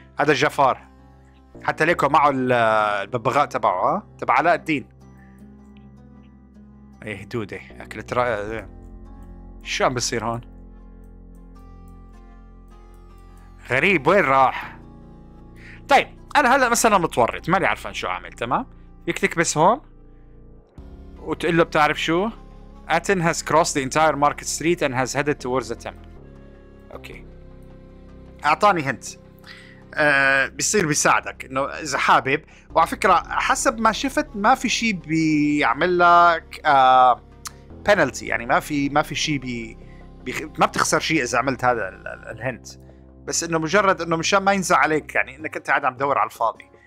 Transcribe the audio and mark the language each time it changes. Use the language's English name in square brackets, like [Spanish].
[Arabic] هذا جفار، حتى ليكو معه الببغاء تبعه تبع علاء الدين. ايه دودة اكلت رأيه. شو عم بصير هون؟ غريب، وين راح؟ طيب انا هلا مثلا متورط ماني عارفان شو اعمل. تمام يكتك بس هون وتقول له بتعرف شو؟ [English] Aten has crossed the entire market street and has headed towards the temple. [Arabic] اوكي اعطاني هنت. بيصير بيساعدك انه اذا حابب. وعلى فكره حسب ما شفت ما في شيء بيعمل لك بينالتي يعني، ما في شيء ما بتخسر شيء اذا عملت هذا الهنت، بس انه مجرد انه مشان ما ينزع عليك يعني انك انت قاعد عم تدور على الفاضي.